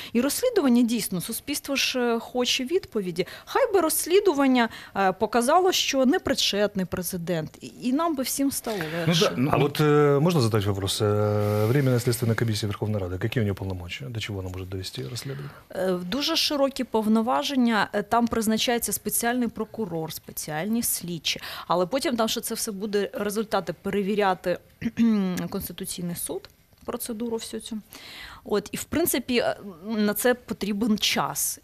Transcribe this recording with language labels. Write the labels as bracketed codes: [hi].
[uk] І розслідування дійсно, суспільство ж хоче відповіді. Хай би розслідування показало, що не причетний президент. І нам би всім стало легше. [ru] Ну, [uk] а от можна [ru] задать вопрос. Временная следственная комиссия Верховной Рады, какие у нее полномочия? До чего она может довести расследование? [uk] Дуже широкі повноваження. Там призначається спеціальний прокурор, спеціальні слідчі. Але потім там ще це все буде результати перевіряти Конституційний суд, процедуру всю цю. От, і, в принципі, на це потрібен час.